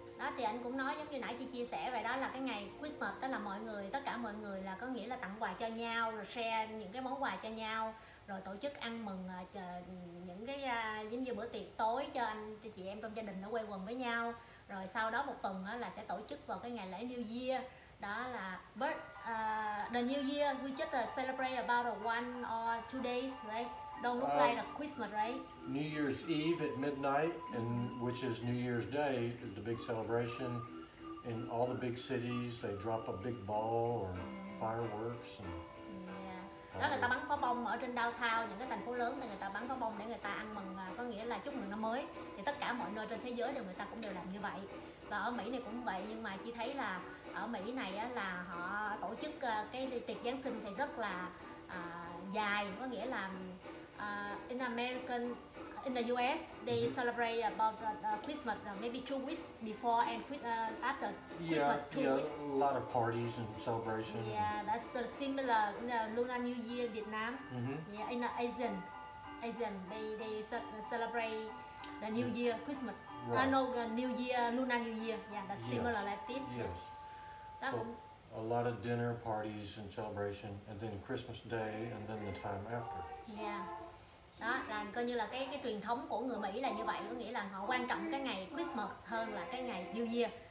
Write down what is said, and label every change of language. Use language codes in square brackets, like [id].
[vi] Đó thì anh cũng nói giống như nãy chị chia sẻ vậy, đó là cái ngày Christmas, đó là mọi người, tất cả mọi người là có nghĩa là tặng quà cho nhau, rồi share những cái món quà cho nhau, rồi tổ chức ăn mừng những cái giống như bữa tiệc tối cho anh cho chị em trong gia đình nó quây quần với nhau. Rồi sau đó một tuần là sẽ tổ chức vào cái ngày lễ New Year, đó là birth, [en] the New Year we just celebrate about one or two days, right? Don't look like the Christmas, right? New Year's Eve at midnight, and which is New Year's Day, is the big celebration. In all the big cities, they drop a big ball or fireworks. And, yeah. [vi] Đó người ta bắn pháo bông ở trên downtown, những cái thành phố lớn thì người ta bắn pháo bông để người ta ăn mừng, có nghĩa là chúc mừng năm mới. Thì tất cả mọi nơi trên thế giới đều người ta cũng đều làm như vậy. Và ở Mỹ này cũng vậy, nhưng mà chỉ thấy là ở Mỹ này là họ tổ chức cái tiệc Giáng sinh thì rất là dài, có nghĩa là [en] in American, in the US, they celebrate about Christmas, maybe 2 weeks before and after Christmas. Yeah, two weeks. A lot of parties and celebrations. Yeah, that's similar in the Lunar New Year in Vietnam. Mm-hmm. Yeah, in the Asian, they celebrate the New Year Christmas. Right. New Year, Lunar New Year. Yeah, that's similar like this. Yes. A lot of dinner parties and celebration, and then Christmas Day, and then the time after. [vi] Yeah, đó là coi như là cái truyền thống của người Mỹ là như vậy, có nghĩa là họ quan trọng cái ngày Christmas hơn là cái ngày New Year.